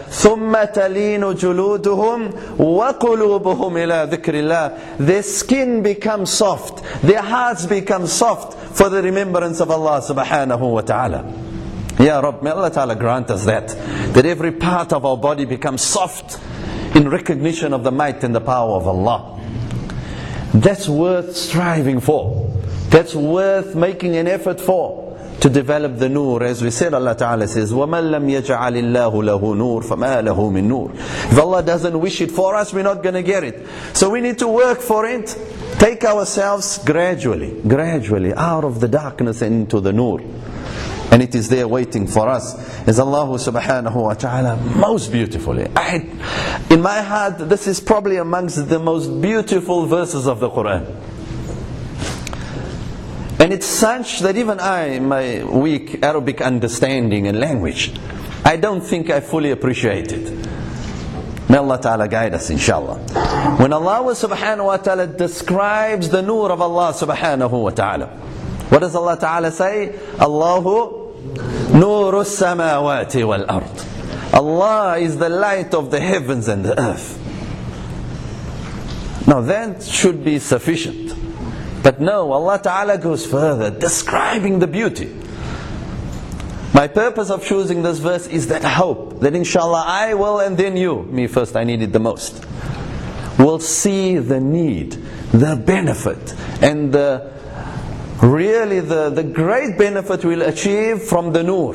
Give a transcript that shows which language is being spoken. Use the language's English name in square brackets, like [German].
[Arabic] ثُمَّ تَلِينُ جُلُودُهُمْ وَقُلُوبُهُمْ إِلَىٰ ذِكْرِ اللَّهِ, [English] their skin becomes soft, their hearts become soft for the remembrance of Allah subhanahu wa ta'ala. Ya Rabb, may Allah Ta'ala grant us that. That every part of our body becomes soft in recognition of the might and the power of Allah. That's worth striving for. That's worth making an effort for, to develop the nur. As we said, Allah Ta'ala says, [Arabic] وَمَنْ لَمْ يَجْعَلِ اللَّهُ لَهُ نُورٍ فَمَا لَهُ مِنْ نُورٍ. [English] If Allah doesn't wish it for us, we're not going to get it. So we need to work for it. Take ourselves gradually out of the darkness and into the nur. And it is there waiting for us. As Allah subhanahu wa ta'ala most beautifully, in my heart, this is probably amongst the most beautiful verses of the Quran. And it's such that even I, my weak Arabic understanding and language, I don't think I fully appreciate it. May Allah ta'ala guide us, inshallah. When Allah subhanahu wa ta'ala describes the nur of Allah subhanahu wa ta'ala, what does Allah ta'ala say? [Arabic] Allahu نور السماوات والأرض. [English] Allah is the light of the heavens and the earth. Now that should be sufficient. But no, Allah Ta'ala goes further, describing the beauty. My purpose of choosing this verse is that hope, that inshallah I will, and then you, me first, I need it the most, will see the need, the benefit, and the really the great benefit we'll achieve from the nur.